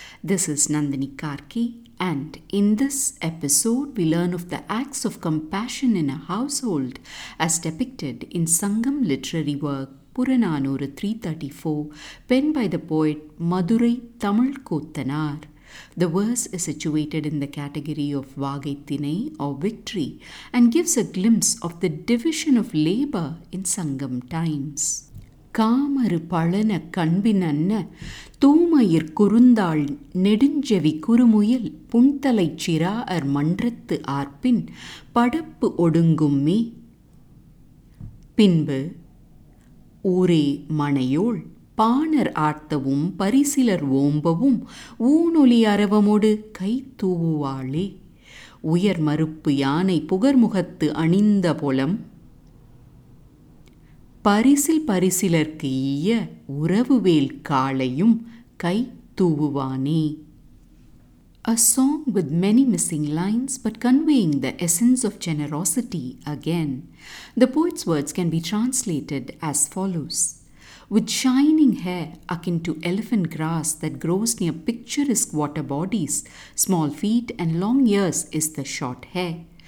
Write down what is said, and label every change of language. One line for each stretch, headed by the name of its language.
English: This is Nandini Karki, and in this episode we learn of the acts of compassion in a household as depicted in Sangam literary work Puranaanooru 334, penned by the poet Madurai Thamizh Koothanaar. The verse is situated in the category of Vaagai Thinai or victory and gives a glimpse of the division of labour in Sangam times.
Tamil: காமரு பழன கண்பின் அன்ன தூமயிர் குறுந்தாள் நெடுஞ்செவி குறுமுயில் புண்தலை சிரா அர் மன்றத்து ஆர்ப்பின் படப்பு ஒடுங்கும் மே. பின்பு ஊரே மனையோள் பாணர் ஆர்த்தவும் பரிசிலர் ஓம்பவும் ஊனொலி அரவமோடு கை தூவுவாளே. உயர் மறுப்பு யானை புகர்முகத்து அணிந்த புலம் பரிசில் பரிசிலர்க்கு ஈய உறவு வேல் காளையும் கை தூவுவானே.
English: A song with many missing lines but conveying the essence of generosity again. The poet's words can be translated as follows. With shining hair akin to elephant grass that grows near picturesque water bodies, small feet and long ears is the short hair.